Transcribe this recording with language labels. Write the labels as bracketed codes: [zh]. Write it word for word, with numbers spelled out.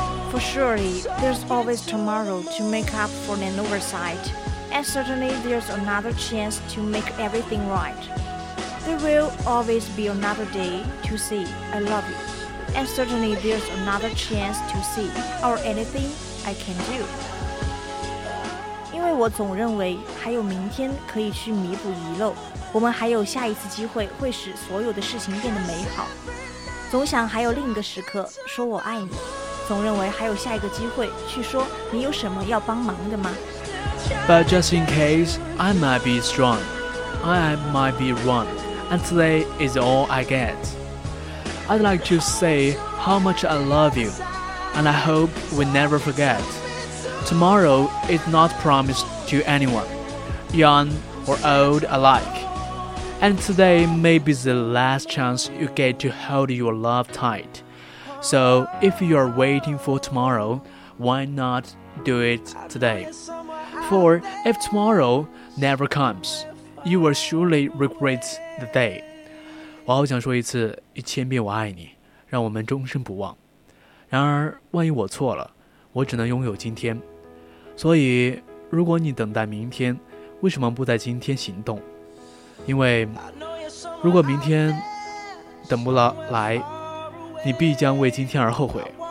[en] For surely there's always tomorrow to make up for an oversight, and certainly there's another chance to make everything right. There will always be another day to say I love you. And certainly there's another chance to see or anything I can do. [zh] 因为我总认为还有明天可以去弥补遗漏，我们还有下一次机会会使所有的事情变得美好。总想还有另一个时刻说我爱你，总认为还有下一个机会去说你有什么要帮忙的吗 [en] But just in case, I might be strong, I might be wrong, and today is all I get. I'd like to say how much I love you, and I hope we never forget. Tomorrow is not promised to anyone, young or old alike. And today may be the last chance you get to hold your love tight. So if you are waiting for tomorrow, why not do it today? For if tomorrow never comes, you will surely regret the day. [zh] 我好想说一次一千遍我爱你让我们终身不忘然而万一我错了我只能拥有今天所以如果你等待明天为什么不在今天行动因为如果明天等不到来你必将为今天而后悔